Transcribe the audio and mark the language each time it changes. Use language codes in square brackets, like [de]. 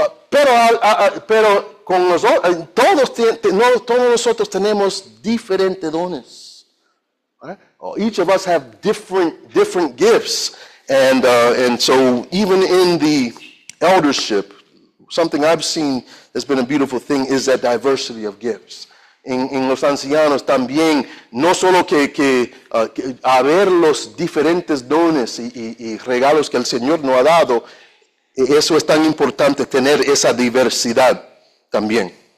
[es] Pero con nosotros, todos nosotros tenemos diferentes dones. [en] Each of us have different gifts, and so even in the eldership, something I've seen that's been a beautiful thing is that diversity of gifts. [es] En los ancianos también, no solo que haber los diferentes dones y regalos que el Señor nos ha dado, eso es tan importante, tener esa diversidad también.